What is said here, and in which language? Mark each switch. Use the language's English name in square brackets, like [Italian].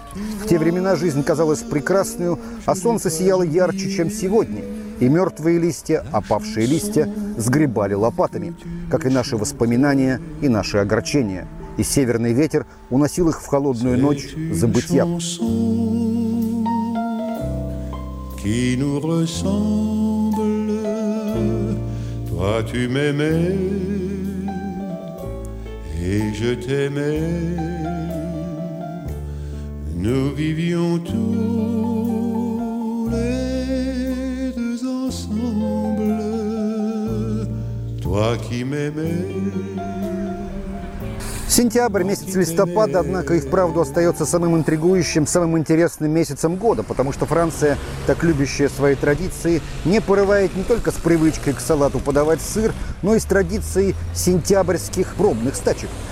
[Russian] В те времена жизнь казалась прекрасной, а солнце сияло ярче, чем сегодня. И мертвые листья, опавшие листья, сгребали лопатами, как и наши воспоминания и наши огорчения. И северный ветер уносил их в холодную ночь забытья. [French] Qui nous ressemble, toi tu m'aimais, et je t'aimais, nous vivions tous les deux ensemble, toi qui m'aimais. [Russian] Сентябрь – месяц листопада, однако и вправду остается самым интригующим, самым интересным месяцем года, потому что Франция, так любящая свои традиции, не порывает не только с привычкой к салату подавать сыр, но и с традицией сентябрьских пробных стачек.